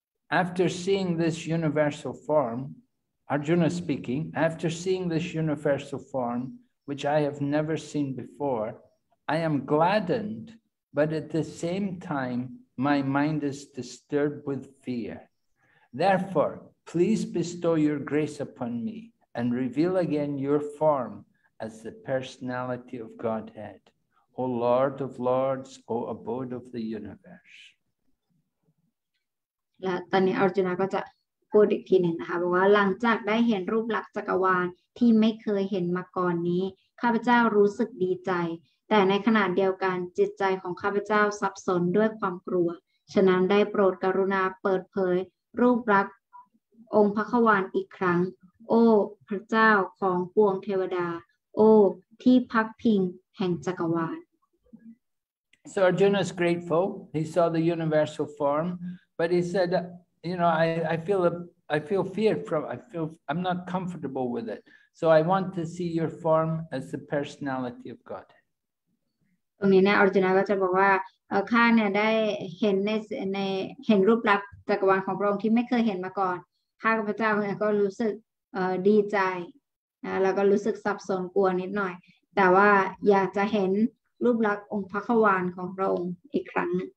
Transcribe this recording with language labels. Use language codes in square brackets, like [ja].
[en] After seeing this universal form, Arjuna speaking, after seeing this universal form, which I have never seen before, I am gladdened, but at the same time, my mind is disturbed with fear. Therefore, please bestow your grace upon me. And reveal again your form as the personality of Godhead, O Lord of Lords, O Abode of the Universe. [th] และตอนนี้อาร์จุนาก็จะพูดอีกทีหนึ่งนะคะบอกว่าหลังจากได้เห็นรูปลักษณ์จักรวาลที่ไม่เคยเห็นมาก่อนนี้ข้าพเจ้ารู้สึกดีใจแต่ในขณะเดียวกันจิตใจของข้าพเจ้าสับสนด้วยความกลัวฉะนั้นได้โปรดกรุณาเปิดเผยรูปลักษณ์องค์พระควานอีกครั้งโอ้พระเจ้าของปวงเทวดาโอ้ที่พักพิงแห่งจักรวาล [en] So Arjuna is grateful. He saw the universal form, but he said, "You know, I'm not comfortable with it. So I want to see your form as the personality of God." [th] ตรงนี้นะ Arjuna ก็จะบอกว่าข้าเนี่ยได้เห็นในเห็นรูปลักษณ์จักรวาลของพระองค์ที่ไม่เคยเห็นมาก่อนข้ากับพระเจ้าเนี่ยก็รู้สึกดีใจนะแล้วก็รู้สึกสับสนกลัวนิดหน่อยแต่ว่าอยากจะเห็นรูปลักษณ์องค์พระควานของพระองค์อีกครั้ง